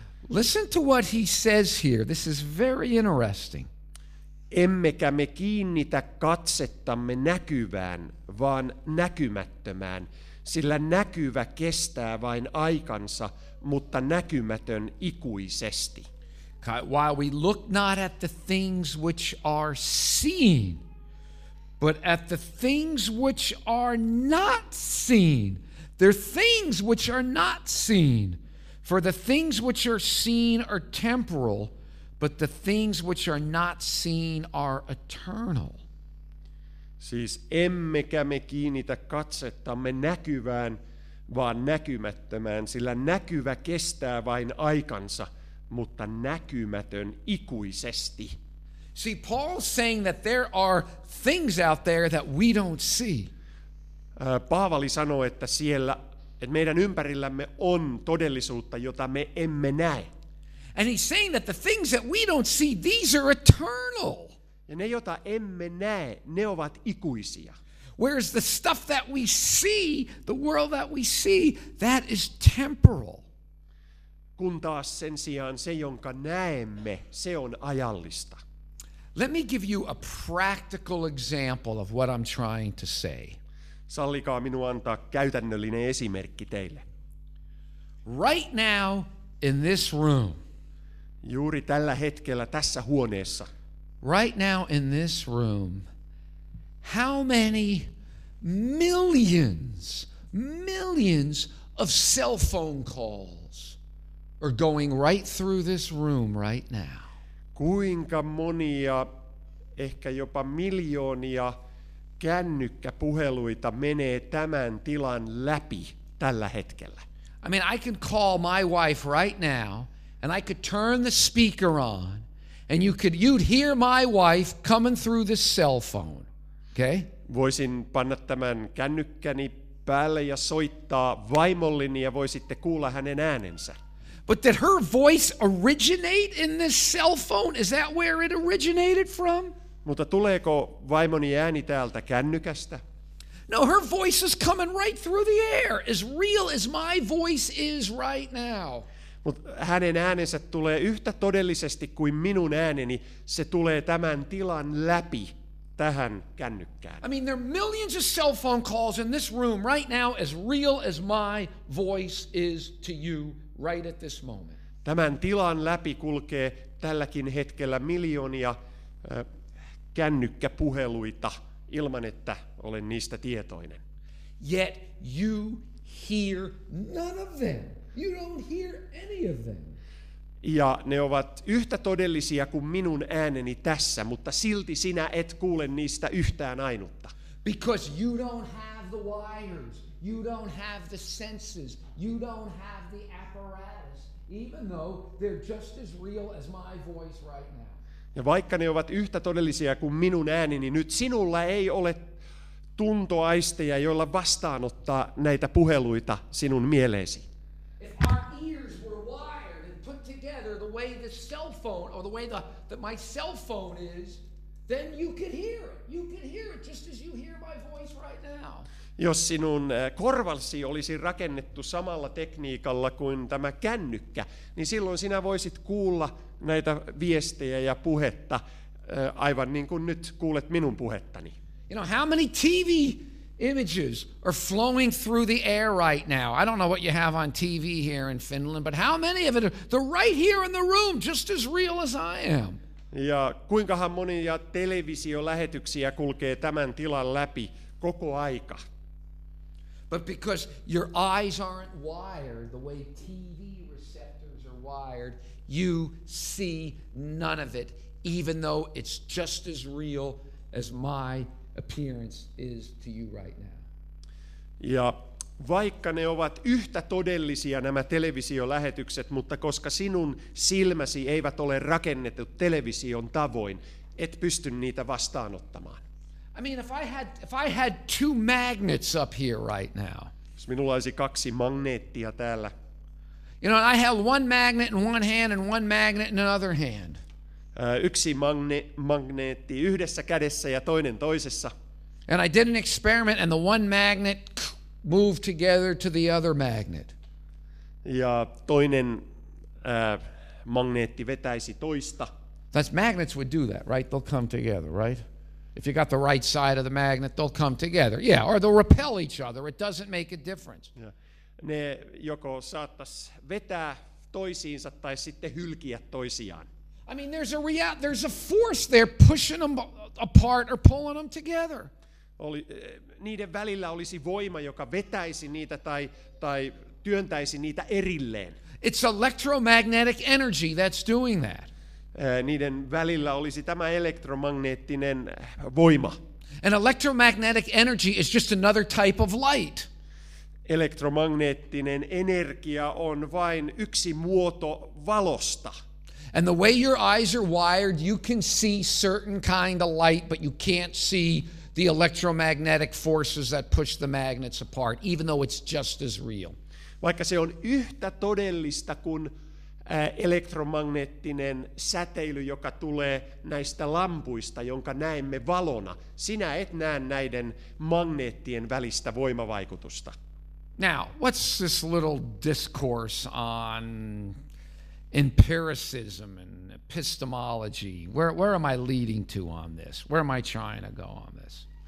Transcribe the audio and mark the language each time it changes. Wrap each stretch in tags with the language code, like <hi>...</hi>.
<en>Listen to what he says here. This is very interesting.</en> <fi>Emmekä me kiinnitä katsettamme näkyvään, vaan näkymättömään, sillä näkyvä kestää vain aikansa, mutta näkymätön ikuisesti.</fi> <en>While we look not at the things which are seen, but at the things which are not seen. They're things which are not seen. For the things which are seen are temporal, but the things which are not seen are eternal.</en> <fi>Siis emmekä me kiinnitä katsettamme näkyvään, vaan näkymättömään, sillä näkyvä kestää vain aikansa, mutta näkymätön ikuisesti.</fi> <en>See, Paul's saying that there are things out there that we don't see.</en> <fi>Paavali sanoo, että siellä, että meidän ympärillämme on todellisuutta, jota me emme näe.</fi> <en>And he's saying that the things that we don't see, these are eternal.</en> <fi>Ja ne, jota emme näe, ne ovat ikuisia.</fi> <en>Whereas the stuff that we see, the world that we see, that is temporal.</en> <fi>Kun taas sen sijaan se, jonka näemme, se on ajallista.</fi> <en>Let me give you a practical example of what I'm trying to say.</en> <fi>Sallikaa minua antaa käytännöllinen esimerkki teille.</fi> <en>Right now in this room.</en> <fi>Juuri tällä hetkellä tässä huoneessa.</fi> <en>Right now in this room. How many millions of cell phone calls are going right through this room right now?</en> <fi>Kuinka monia, ehkä jopa miljoonia kännykkäpuheluita menee tämän tilan läpi tällä hetkellä?</fi> <en>I mean, I can call my wife right now and I could turn the speaker on and you'd hear my wife coming through the cell phone. Okay?</en> <fi>Voisin panna tämän kännykkäni päälle ja soittaa vaimolleni ja voisitte kuulla hänen äänensä.</fi> <en>But did her voice originate in this cell phone? Is that where it originated from?</en> <fi>Mutta tuleeko vaimoni ääni täältä kännykästä?</fi> <en>No, her voice is coming right through the air, as real as my voice is right now.</en> <fi>Mut hänen äänensä tulee yhtä todellisesti kuin minun ääneni. Se tulee tämän tilan läpi tähän kännykkään.</fi> <en>I mean, there are millions of cell phone calls in this room right now, as real as my voice is to you. Right at this moment.</en> <fi>Tämän tilan läpi kulkee tälläkin hetkellä miljoonia kännykkäpuheluita ilman että olen niistä tietoinen.</fi> <en>Yet you hear none of them. You don't hear any of them.</en> <fi>Ja ne ovat yhtä todellisia kuin minun ääneni tässä, mutta silti sinä et kuule niistä yhtään ainutta.</fi> <en>Because you don't have the wires. You don't have the senses. You don't have the apparatus, even though they're just as real as my voice right now.</en> <fi>Ja vaikka ne ovat yhtä todellisia kuin minun ääneni, nyt sinulla ei ole tuntoaisteja, joilla vastaanottaa näitä puheluita sinun mieleesi.</fi> <en>If our ears were wired and put together the way the cell phone or the way that my cell phone is, then you could hear it. You could hear it just as you hear my voice right now.</en> <fi>Jos sinun korvalsi olisi rakennettu samalla tekniikalla kuin tämä kännykkä, niin silloin sinä voisit kuulla näitä viestejä ja puhetta aivan niin kuin nyt kuulet minun puhettani.</fi> <en>You know, how many TV images are flowing through the air right now. I don't know what you have on TV here in Finland, but how many of it are they're right here in the room, just as real as I am.</en> <fi>Ja kuinkahan monia televisiolähetyksiä kulkee tämän tilan läpi koko aika.</fi> <en>But because your eyes aren't wired the way TV receptors are wired, you see none of it, even though it's just as real as my appearance is to you right now.</en> <fi>Ja vaikka ne ovat yhtä todellisia nämä televisiolähetykset, mutta koska sinun silmäsi eivät ole rakennetut television tavoin, et pysty niitä vastaanottamaan.</fi> <en>I mean, if I had two magnets up here right now.</en> <fi>Jos minulla olisi kaksi magneettia täällä.</fi> <en>You know, I held one magnet in one hand and one magnet in another hand.</en> <fi>Yksi magneetti yhdessä kädessä ja toinen toisessa.</fi> <en>And I did an experiment and the one magnet moved together to the other magnet.</en> <fi>Ja toinen magneetti vetäisi toista.</fi> <en>That's magnets would do that, right? They'll come together, right? If you got the right side of the magnet, they'll come together. Yeah, or they'll repel each other. It doesn't make a difference. Yeah.</en> <fi>Ne joko saattaisi vetää toisiinsa tai sitten hylkiä toisiaan.</fi> <en>I mean, there's a force there pushing them apart or pulling them together.</en> <fi>Niiden välillä olisi voima, joka vetäisi niitä tai työntäisi niitä erilleen.</fi> <en>It's electromagnetic energy that's doing that.</en> <fi>Niiden välillä olisi tämä elektromagneettinen voima.</fi> <en>An electromagnetic energy is just another type of light.</en> <fi>Elektromagneettinen energia on vain yksi muoto valosta.</fi> <en>And the way your eyes are wired, you can see certain kind of light, but you can't see the electromagnetic forces that push the magnets apart, even though it's just as real.</en> <fi>Vaikka se on yhtä todellista kuin elektromagneettinen säteily, joka tulee näistä lampuista, jonka näemme valona, sinä et näe näiden magneettien välistä voimavaikutusta.</fi> <en>Now, what's this little discourse on empiricism and epistemology? Where am I leading to on this? Where am I trying to go on this?</en>